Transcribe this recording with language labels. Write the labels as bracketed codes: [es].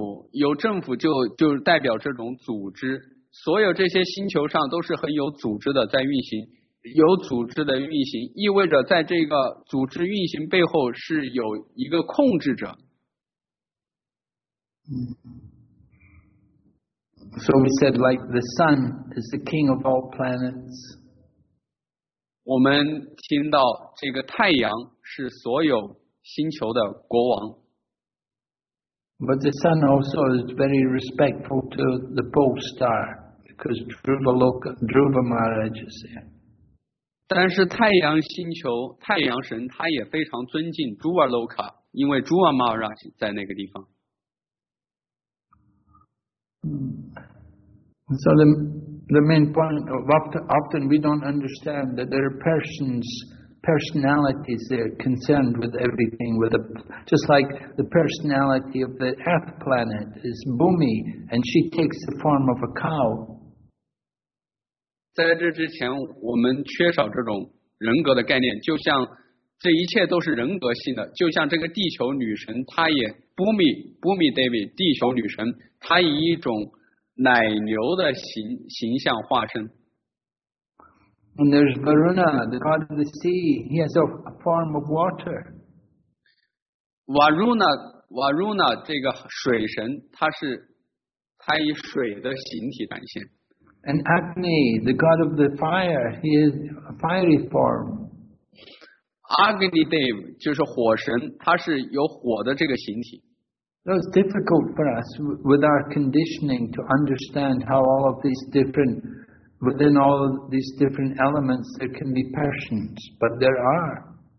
[zh] 有政府就代表这种组织。所有这些星球上都是很有组织的在运行，有组织的运行意味着在这个组织运行背后是有一个控制者。 [en] So we said like the sun is the king of all planets. [zh] 我们听到这个太阳是所有星球的国王。 [en] But the sun also is very respectful to the pole star. Because Dhruva Maharaj is there. [zh] 但是太阳星球太阳神他也非常尊敬 Dhruva Loka， 因为 Dhruva Maharaj 在那个地方。 [en] So the main point of often we don't understand that there are personalities there concerned with everything, with just like the personality of the Earth planet is Bhumi, and she takes the form of a cow. [zh] 在这之前我们缺少这种人格的概念，就像这一切都是人格性的，就像这个地球女神她也 Bhumi Devi 地球女神她以一种奶牛的 形象化身。 [en] And there's Varuna, the god of the sea. He has a form of water. [zh] Varuna 这个水神他以水的形体展现。 [en] And Agni, the god of the fire, he is a fiery form. [zh] Agni Dev 就是火神，他是有火的这个形体。 [en] So it's difficult for us with our conditioning to understand how all of these different, within all of these different elements, there can be persons, but there are.